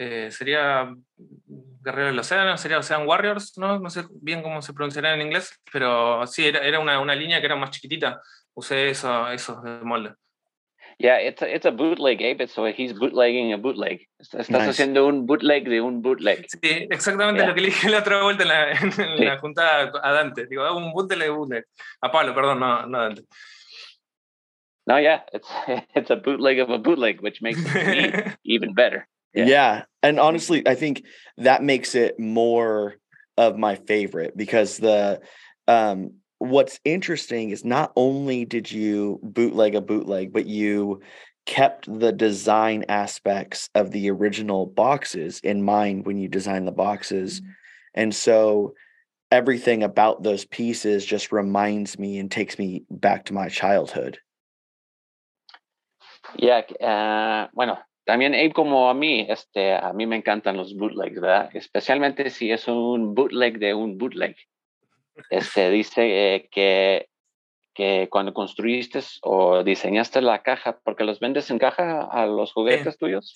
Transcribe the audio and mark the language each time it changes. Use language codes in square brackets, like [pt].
[es] sería Guerrero del Océano, sería Ocean Warriors, no sé bien cómo se pronunciará en inglés, pero sí, era una línea que era más chiquitita. Usé eso de molde. [en] Yeah, it's a bootleg, Abe, so he's bootlegging a bootleg. [es] Estás nice. Haciendo un bootleg de un bootleg. Sí, exactamente lo que le dije la otra vuelta en la juntada a Dante. Digo, un bootleg de bootleg. A Pablo, perdón, no a Dante. [en] No, yeah, it's a bootleg of a bootleg, which makes me even better. Yeah, and honestly, I think that makes it more of my favorite, because the what's interesting is not only did you bootleg a bootleg, but you kept the design aspects of the original boxes in mind when you designed the boxes. Mm-hmm. And so everything about those pieces just reminds me and takes me back to my childhood. [es] Yeah, bueno. También, Abe, como a mí, a mí me encantan los bootlegs, ¿verdad? Especialmente si es un bootleg de un bootleg. Dice que cuando construiste o diseñaste la caja, porque los vendes en caja a los juguetes tuyos.